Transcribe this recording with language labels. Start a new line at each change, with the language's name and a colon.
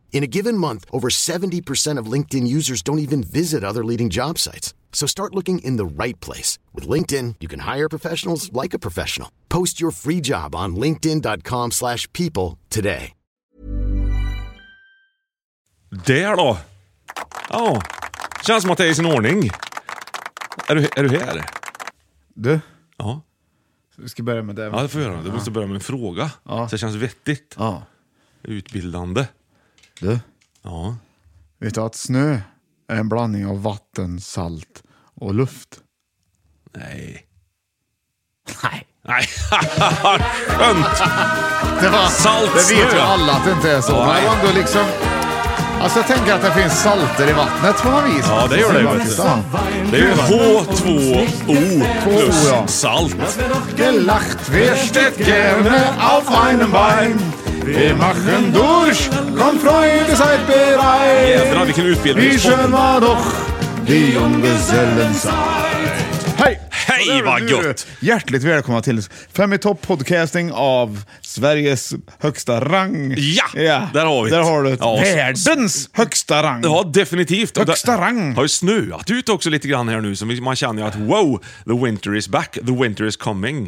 English: In a given month, over 70% of LinkedIn users don't even visit other leading job sites. So start looking in the right place. With LinkedIn, you can hire professionals like a professional. Post your free job on linkedin.com/people today.
Swedish: Där då. Ja, känns som att det är i sin ordning. Är du här? Du? Ja. Vi ska börja med det. Ja, det får vi göra. Du måste börja med en fråga. Ja. Så det känns vettigt. Ja. Utbildande. Du? Ja. Vet du att snö är en blandning av vatten, salt och luft? Nej. Nej. Nej, skönt. Det var salt. Det vet ju alla att det inte är så. Oh, men ändå liksom, alltså jag tänker att det finns salter i vattnet på något vis. Ja, det gör det ju. Det är H2O plus salt.
German: Det lacht wir steht gerne auf einem Bein. Wir machen durch, komm Freunde, seid bereit.
Swedish: Jävlar, vilken utbildning.
German: Wie schön war doch die Junggesellenzeit.
Swedish: Hej, vad gött! Hjärtligt välkomna till Fem i topp podcasting av Sveriges högsta rang. Ja, yeah. Där har vi det. Där har du ett. Ja, världens högsta rang. Ja, definitivt. Högsta rang. Har ju snöat ut också lite grann här nu. Så man känner ju att
English: wow, the winter is back, the winter is coming.